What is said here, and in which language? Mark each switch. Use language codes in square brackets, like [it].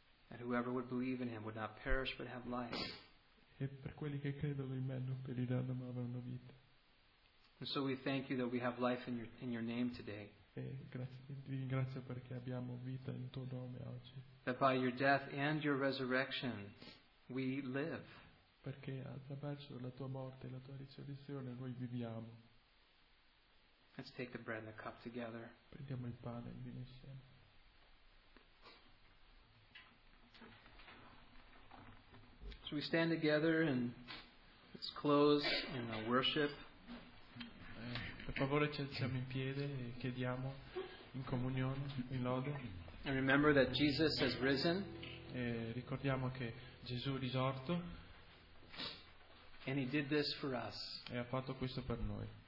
[en] And whoever would believe in him would not perish but have life. [it] E per quelli che credono in me non periranno ma avranno vita. [en] And so we thank you that we have life in your name today. [it] E ti ringrazio perché abbiamo vita in tuo nome oggi. [en] That by your death and your resurrection we live. [it] Perché attraverso la tua morte e la tua risurrezione noi viviamo. [en] Let's take the bread and the cup together. [it] Prendiamo il pane e il vino insieme. [en] So we stand together and Let's close in our worship. [it] Per favore ci alziamo in piedi e chiediamo in comunione, in lode. [en] And remember that Jesus has risen. [it] E ricordiamo che Gesù è risorto. [en] And he did this for us. [it] E ha fatto questo per noi.